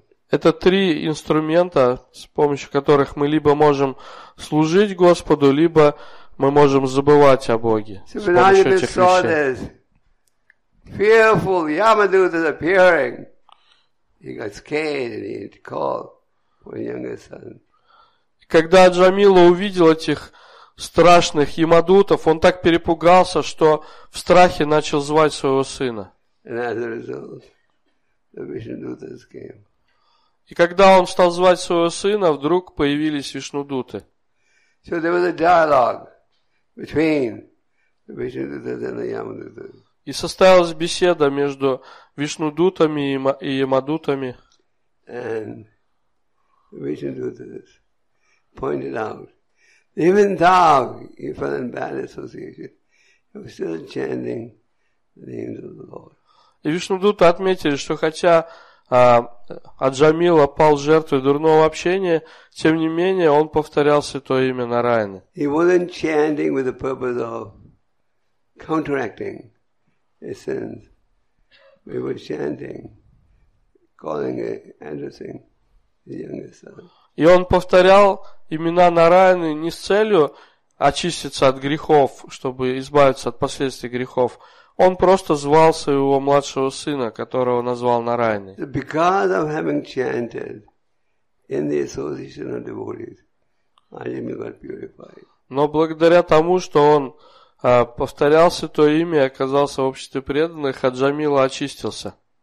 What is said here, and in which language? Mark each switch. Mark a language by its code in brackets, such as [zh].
[ru] Это три инструмента, с помощью которых мы либо можем служить Господу, либо мы можем забывать о Боге с помощью этих вещей. [en] Fearful Yamadutas appearing. He got scared and he called for younger son. [ru] Когда Джамила увидел этих страшных Ямадутов, он так перепугался, что в страхе начал звать своего сына. [en] And as a result, the Vishnudutas came. [ru] И когда он стал звать своего сына, вдруг появились Вишнудуты. [en] So there was a dialogue between the Vishnudutas and the Yamadutas. [ru] И состоялась беседа между Вишнудутами и Ямадутами. [en] And the Vishnudutas pointed out, even though he fell in bad association, he was still chanting the names of the Lord. [ru] И Вишнудуты отметили, что хотя Аджамила пал жертвой дурного общения, тем не менее он повторял святое имя Нараяны. [en] He wasn't chanting with the purpose of counteracting his sins. He was chanting, calling and addressing his younger son. [ru] И он повторял имена Нараяны не с целью очиститься от грехов, чтобы избавиться от последствий грехов. Он просто звал своего младшего сына, которого назвал Нараяной. [en] Because of having chanted in the association of devotees, Ajami got purified. [ru] Но благодаря тому, что он повторял святое имя и оказался в обществе преданных, Аджамила очистился.